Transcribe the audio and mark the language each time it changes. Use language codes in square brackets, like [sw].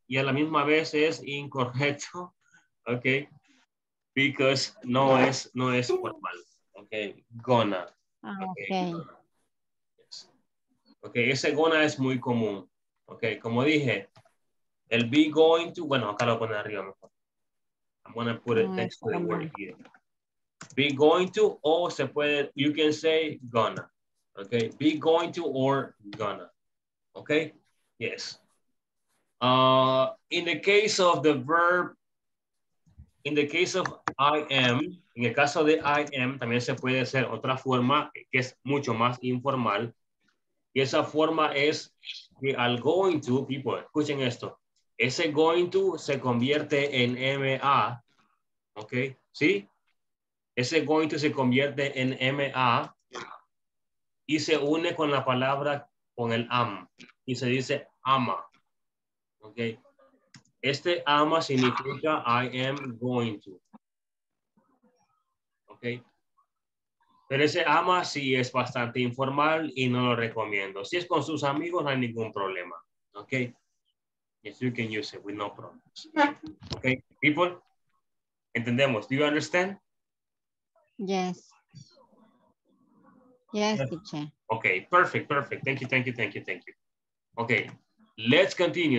[es] Y a la misma vez es incorrecto. Ok. Because no es formal. Ok. Gonna. Ah, okay. Ok. Ese gonna es muy común. Ok. Como dije, el be going to, bueno, acá lo pone arriba mejor. [en] I'm going to put it next to the word here. Be going to, or [es] se puede, [en] you can say gonna. Okay. Be going to or gonna. Okay. Yes. In the case of the verb, in the case of I am, [es] en el caso de [en] I am, también se puede hacer otra forma que es mucho más informal. [es] Y esa forma es que al going to, people, escuchen esto. Ese going to se convierte en MA. Ok, ¿sí? Ese going to se convierte en MA y se une con la palabra, con el am, y se dice ama. Ok, este ama significa I am going to. Ok, pero ese ama sí es bastante informal y no lo recomiendo. Si es con sus amigos, no hay ningún problema. Ok. [en] Yes, you can use it with no problems. Okay, people, entendemos. Do you understand? Yes. Yes, teacher. Okay, perfect, perfect. Thank you. Okay, let's continue.